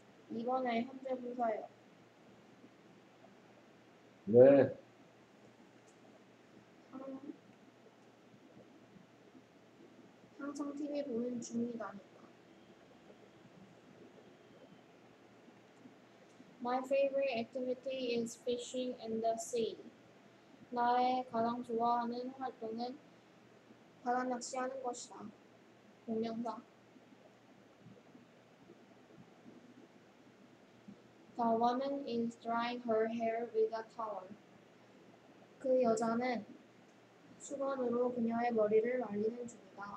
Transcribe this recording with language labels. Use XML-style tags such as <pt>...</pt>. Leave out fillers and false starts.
<ko>이번에 현재 문서예요. 네. 항상 TV 보는 중이다니까.</ko> <en>My favorite activity is fishing in the sea.</en> <ko>나의 가장 좋아하는 활동은 바다 낚시하는 것이다. 동명사.</ko> <en>The woman is drying her hair with a towel.</en> <ko>그 여자는 수건으로 그녀의 머리를 말리는 중.</ko>